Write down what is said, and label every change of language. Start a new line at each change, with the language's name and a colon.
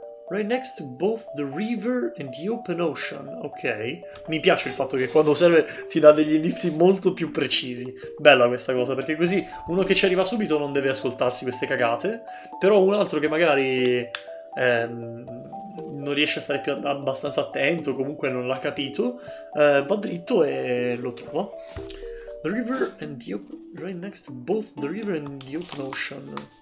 English: Right next to both the river and the open ocean. Ok.
Italian: Mi piace il fatto che quando serve ti dà degli indizi molto più precisi. Bella questa cosa, perché così uno che ci arriva subito non deve ascoltarsi queste cagate. Però un altro che magari non riesce a stare più abbastanza attento, comunque non l'ha capito, va dritto e lo trova.
English: The river and the open... Right next to both the river and the open ocean.